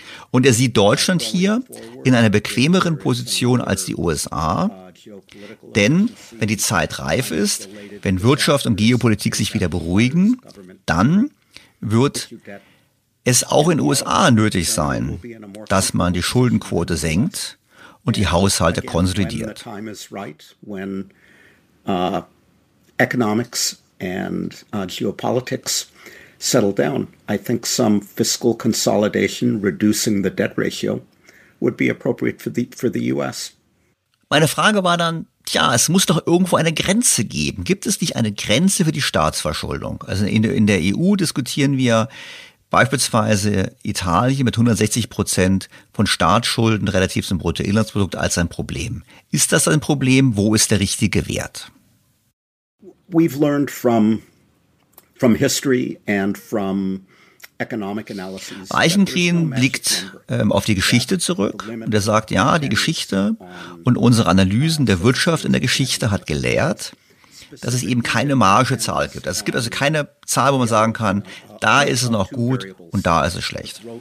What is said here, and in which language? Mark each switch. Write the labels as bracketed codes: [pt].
[de] Und er sieht Deutschland hier in einer bequemeren Position als die USA, denn wenn die Zeit reif ist, wenn Wirtschaft und Geopolitik sich wieder beruhigen, dann wird es auch in den USA nötig sein, dass man die Schuldenquote senkt und die Haushalte konsolidiert. [en] When the time is right, when economics and geopolitics settle down, I think some fiscal consolidation reducing the debt ratio would be appropriate for the US. [de] Meine Frage war dann, tja, es muss doch irgendwo eine Grenze geben. Gibt es nicht eine Grenze für die Staatsverschuldung? Also in der EU diskutieren wir beispielsweise Italien mit 160% von Staatsschulden relativ zum Bruttoinlandsprodukt als ein Problem. Ist das ein Problem? Wo ist der richtige Wert? [en] We've learned from history and from economic analysis. [de] Eichengreen blickt auf die Geschichte zurück und er sagt, ja, die Geschichte und unsere Analysen der Wirtschaft in der Geschichte hat gelehrt, dass es eben keine magische Zahl gibt. Es gibt also keine Zahl, wo man sagen kann, da ist es noch gut und da ist es schlecht.